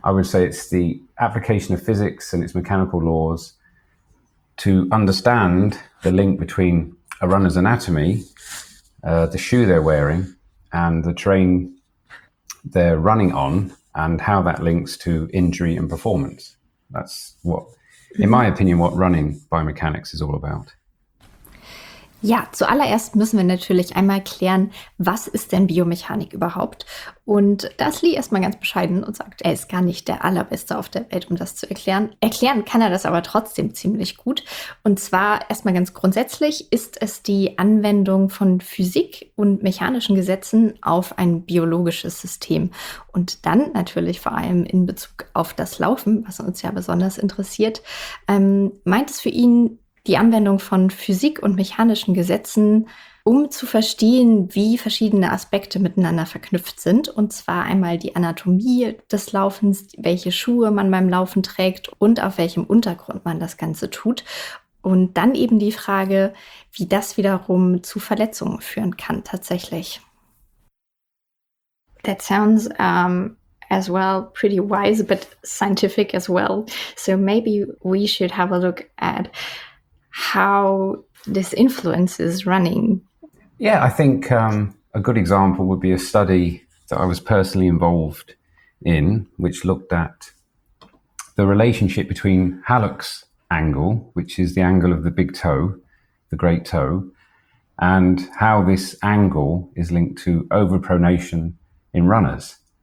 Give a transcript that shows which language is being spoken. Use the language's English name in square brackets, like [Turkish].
[English] I would say it's the application of physics and its mechanical laws to understand the link between a runner's anatomy, the shoe they're wearing, and the terrain they're running on, and how that links to injury and performance. That's what, in my opinion, what running biomechanics is all about. [German] Ja, zuallererst müssen wir natürlich einmal klären, was ist denn Biomechanik überhaupt? Und da ist Lee erstmal ganz bescheiden und sagt, er ist gar nicht der Allerbeste auf der Welt, um das zu erklären. Erklären kann er das aber trotzdem ziemlich gut. Und zwar erstmal ganz grundsätzlich ist es die Anwendung von Physik und mechanischen Gesetzen auf ein biologisches System. Und dann natürlich vor allem in Bezug auf das Laufen, was uns ja besonders interessiert, meint es für ihn die Anwendung von Physik und mechanischen Gesetzen, um zu verstehen, wie verschiedene Aspekte miteinander verknüpft sind. Und zwar einmal die Anatomie des Laufens, welche Schuhe man beim Laufen trägt und auf welchem Untergrund man das Ganze tut. Und dann eben die Frage, wie das wiederum zu Verletzungen führen kann tatsächlich. [English] That sounds as well pretty wise, but scientific as well. So maybe we should have a look at how this influences running. Yeah, I think a good example would be a study that I was personally involved in, which looked at the relationship between hallux angle, which is the angle of the big toe, the great toe, and how this angle is linked to overpronation in runners.